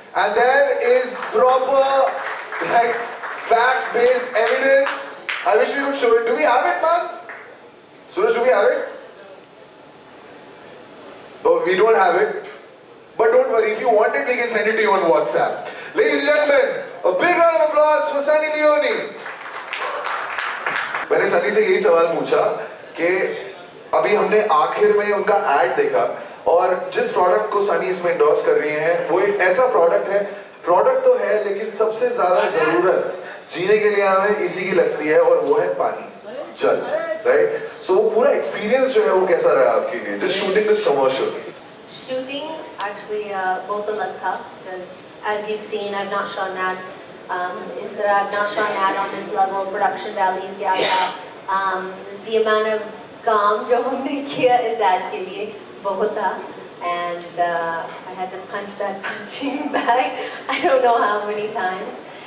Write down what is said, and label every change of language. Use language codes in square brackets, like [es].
[en] And there is proper, like, fact-based evidence. I wish we could show it. Do we have it, man? Suraj, do we have it? No, we don't have it. But don't worry, if you want it, we can send it to you on WhatsApp. Ladies and gentlemen, a big round of applause for Sunny Leone. [hi] मैंने सनी से यही सवाल पूछा कि अभी हमने आखिर में उनका एड देखा और जिस प्रोडक्ट को सनी इसमें एंडोर्स कर रही है वो एक ऐसा प्रोडक्ट है. प्रोडक्ट तो है लेकिन सबसे ज्यादा जरूरत जीने के लिए हमें इसी की लगती है और वो है पानी, जल, राइट. सो पूरा एक्सपीरियंस जो है वो कैसा रहा आपके लिए [en] Just shooting this commercial? [hi] Shooting actually बहुत अलग था. [en] As you seen, I am not sure now is that I've not shot an ad on this level of production value. The amount of [hi] kaam jo humne kiya is ad ke liye bahut tha, [en] and I had to punch that punching bag I don't know how many times.